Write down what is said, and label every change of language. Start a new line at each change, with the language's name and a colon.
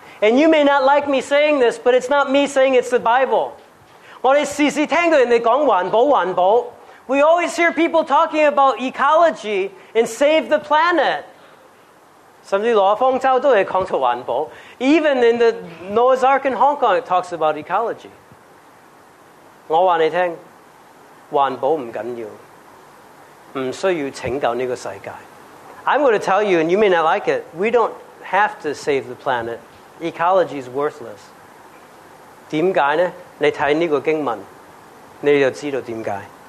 English: And you may not like me saying this, but it's not me saying, it's the Bible.
Chinese: 我们时时听到人家讲环保。
English: We always hear people talking about ecology and save the planet.
Chinese: 甚至罗峰州都会讲到环保。
English: Even in the Noah's Ark in Hong Kong, it talks about ecology.
Chinese: 我告诉你,环保不重要。
English: I'm going to tell you, and you may not like it, we don't have to save the planet. Ecology is worthless.
Chinese: 为什么呢? 你看这个经文, 你就知道为什么。